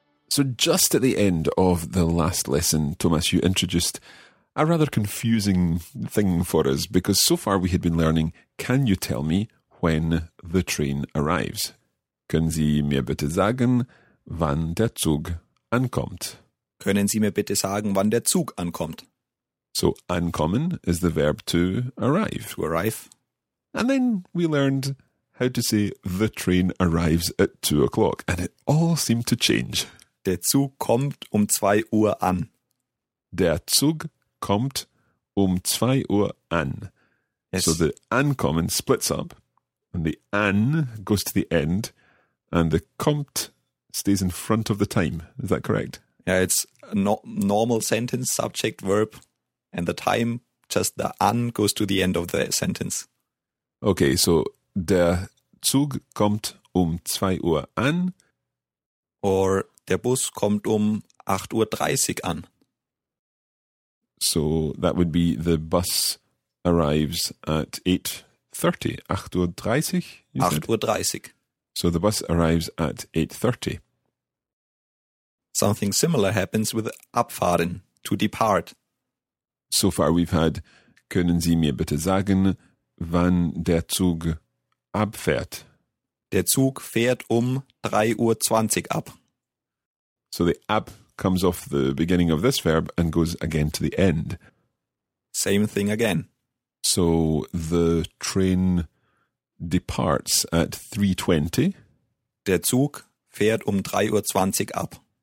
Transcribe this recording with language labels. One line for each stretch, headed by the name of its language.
English: So just at the end of the last lesson, Thomas, you introduced a rather confusing thing for us, because so far we had been learning, can you tell me when the train arrives?
German: Können Sie mir bitte sagen, wann der Zug ankommt? Können Sie mir bitte sagen, wann der Zug ankommt?
English: So ankommen is the verb to arrive. To arrive. And then we learned how to say the train arrives at 2 o'clock, and it all seemed to change.
German: Der Zug kommt um 2 Uhr an. Der Zug kommt um 2 Uhr an.
English: Yes. So the ankommen splits up and the an goes to the end and the kommt stays in front of the time. Is that correct? Yeah, it's a normal sentence, subject, verb, and the time, just the an goes to the end of the sentence. Okay, so
German: der Zug kommt um 2 Uhr an. Or der Bus kommt um 8.30 Uhr an.
English: So that would be the bus arrives at 8.30. 8.30? 8.30. So the bus arrives at 8.30. Something similar happens with abfahren, to depart. So far we've had,
German: können Sie mir bitte sagen, wann der Zug abfährt? Der Zug fährt um 3.20 Uhr ab.
English: So the ab comes off the beginning of this verb and goes again to the end. Same thing again. So the train departs at 3.20.
German: Der Zug fährt um 3.20 Uhr ab.